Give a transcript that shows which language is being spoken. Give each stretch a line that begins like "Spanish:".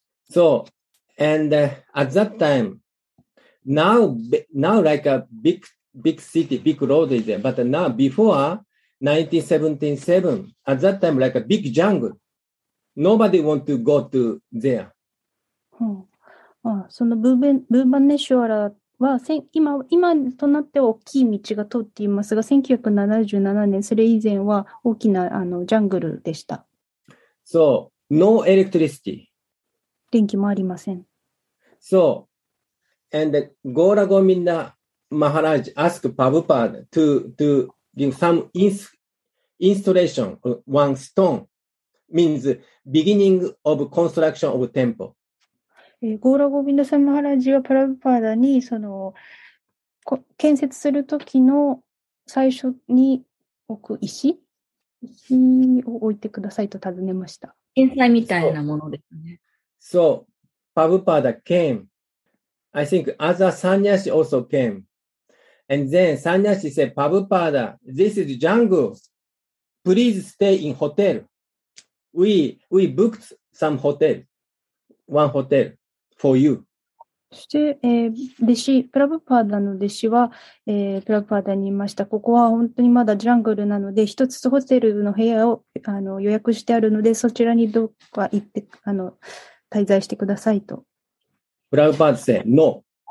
English: So, and at that time,Now like a big city, big road is there. But now, before 1977, at that time, like a big jungle. Nobody want to go to there.
Japanese: そのブーバネシュワラは今となっては大きい道が通っていますが、1977年それ以前は大きなあのジャングルでした。
English: そう、ノーエレクトリシティ、
Japanese: 電気もありません。
English: そう、and ゴーラゴミンナマハラジ ask パブパーダ to give some installation one stone means beginning of construction of temple。
Japanese: ゴーラゴビンダサムハラジはプラブパーダにその建設するときの最初に置く石を置いてくださいと尋ねました。天才みたいなものですね。
English: そう、パブパーダ came I think other sannyasi also came and then sannyasi said パブパーダ this is jungle please stay in hotel we booked some hotel one hotelFor you.
Japanese: そして、弟子プラブパーダの弟子は、プラブパーダに言いました。ここは本当にまだジャングルなので一つホテルの部屋をあの予約してあるのでそちらにどこか行ってあの滞在してくださいと。
English: プラブパーダ said no.